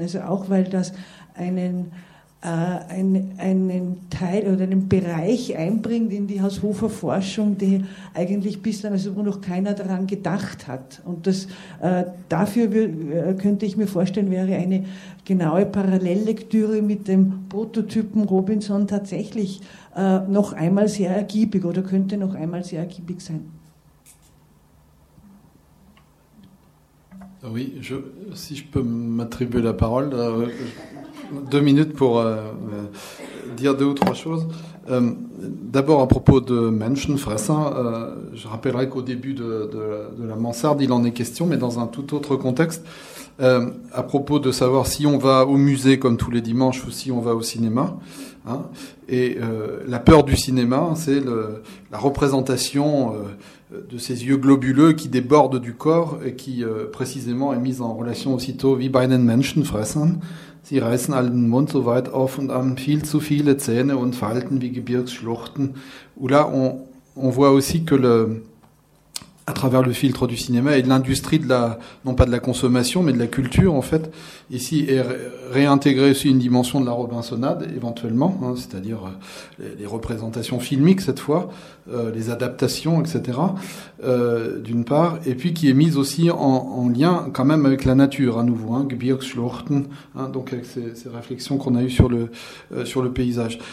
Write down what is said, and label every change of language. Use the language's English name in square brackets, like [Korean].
[German] Also auch, weil das einen Teil oder einen Bereich einbringt in die Haushofer-Forschung, die eigentlich bislang, also wo noch keiner daran gedacht hat. Und das dafür könnte ich mir vorstellen, wäre eine genaue Parallellektüre mit dem Prototypen Robinson tatsächlich noch einmal sehr ergiebig oder könnte noch einmal sehr ergiebig sein. [French] Oui, si je peux m'attribuer la parole, deux minutes pour dire deux ou trois choses. D'abord, à propos de Menschenfressen, je rappellerai qu'au début de la mansarde, il en est question, mais dans un tout autre contexte, à propos de savoir si on va au musée comme tous les dimanches ou si on va au cinéma. Hein, et la peur du cinéma, c'est la représentation de ces yeux globuleux qui débordent du corps et qui, précisément, est mise en relation aussitôt « [German] wie bei den Menschenfressen ». Sie reißen allen Mund so weit auf und haben viel zu viele Zähne und Falten wie Gebirgsschluchten. [French] Où là, on voit aussi que à travers le filtre du cinéma et de l'industrie de la, non pas de la consommation, mais de la culture, en fait, ici est réintégrée aussi une dimension de la Robinsonade, éventuellement, hein, c'est-à-dire les représentations filmiques cette fois, les adaptations, etc., d'une part, et puis qui est mise aussi en lien quand même avec la nature, à nouveau, hein, Gebirgsschluchten, hein, donc avec ces réflexions qu'on a eues sur le paysage.